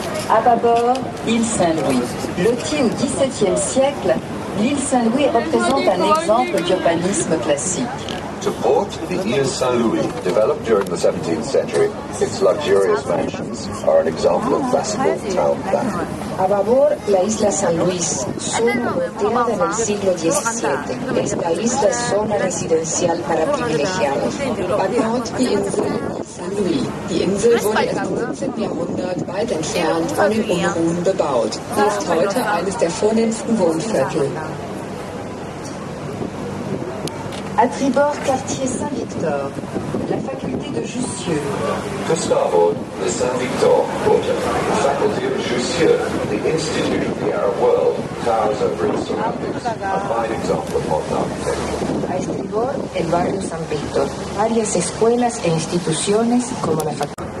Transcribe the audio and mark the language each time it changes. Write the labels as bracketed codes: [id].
[fr] À bâbord, île Saint-Louis. Lotie au XVIIe siècle, l'île Saint-Louis représente un exemple d'urbanisme classique. [en] To port, the Île Saint-Louis, developed during the 17th century, its luxurious mansions are an example of classical town planning. [es] A babor, la Isla Saint-Louis, solo volteada en el siglo XVII. Esta isla es zona residencial para privilegiados. [de] Babor, die Insel Saint-Louis. Die Insel wurde erst im 17. Jahrhundert weit entfernt von den Unruhen bebaut. Sie ist heute eines der vornehmsten Wohnviertel. [fr] À Tribord, quartier Saint-Victor, la faculté de Jussieu. [en] To starboard, the Saint-Victor quarter, the faculty of Jussieu, the institute of the Arab world, towers over its surroundings, a fine example of modern architecture. [es] À Tribord, el barrio Saint-Victor, varias escuelas e instituciones como la faculté.